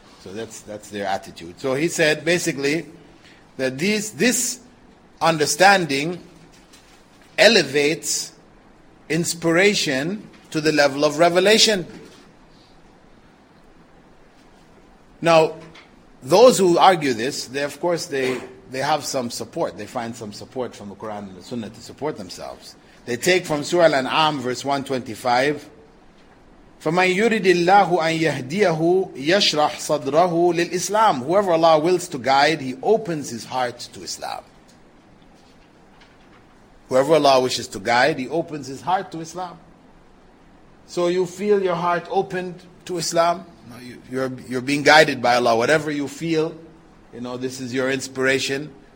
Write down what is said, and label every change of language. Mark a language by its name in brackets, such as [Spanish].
[English] So that's their attitude. So he said, basically, that this understanding elevates inspiration to the level of revelation. Now, those who argue this, they have some support. They find some support from the Quran and the Sunnah to support themselves. They take from Surah Al-An'am, verse 125, [Arabic] فَمَنْ يُرِدِ اللَّهُ أَنْ يَهْدِيَهُ يَشْرَحْ صَدْرَهُ لِلْإِسْلَامِ. [English] Whoever Allah wills to guide, he opens his heart to Islam. Whoever Allah wishes to guide, he opens his heart to Islam. So you feel your heart opened to Islam. You're being guided by Allah. Whatever you feel, this is your inspiration.